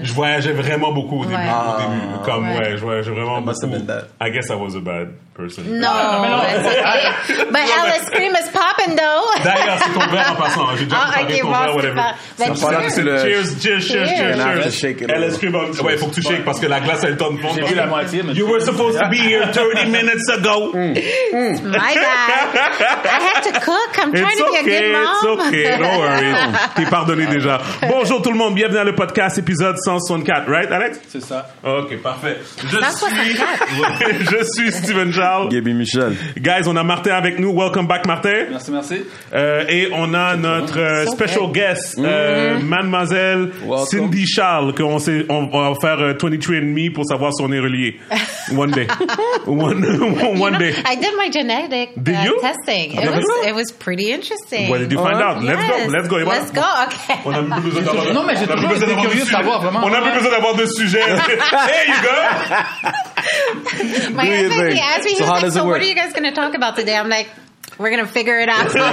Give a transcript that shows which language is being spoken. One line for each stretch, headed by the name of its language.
French: Je voyageais vraiment beaucoup au début. Comme, ouais, je voyageais vraiment beaucoup.
English: I guess I was a bad person.
French: Non, mais c'est OK.
English: But Alice Cream is popping, though.
French: D'ailleurs, c'est ton verre en passant. J'ai déjà fait ton verre, whatever.
English: Cheers.
French: Alice Cream, ouais, il faut que tu shakes parce que la glace, elle tourne pas. J'ai vu la moitié, mais...
English: You were supposed to be here 30 minutes ago. My bad. I have to cook. I'm trying to be okay, a good mom. It's okay. Don't worry.
French: T'es pardonné déjà. Bonjour tout le monde. Bienvenue dans le podcast épisode 164. Right, Alex? C'est ça. OK, parfait. Je suis Steven Charles. Gabby Michel. Guys, on a Martin avec nous.
English: Welcome back,
French: Martin. Merci. Et on a notre special guest, mademoiselle Welcome. Cindy Charles, qu'on va faire 23andMe pour savoir si on est relié.
English: One day. one day. I did my genetic testing. It was pretty interesting. What did you find out? Let's go. Let's go. Okay.
French: On a plus besoin d'avoir. Non, mais j'ai toujours été curieux de savoir vraiment. On a plus besoin d'avoir de sujets.
English: Hey, you go. My husband, he asked me, he's like, so what are you guys going to talk about today? I'm like, we're going to figure it out.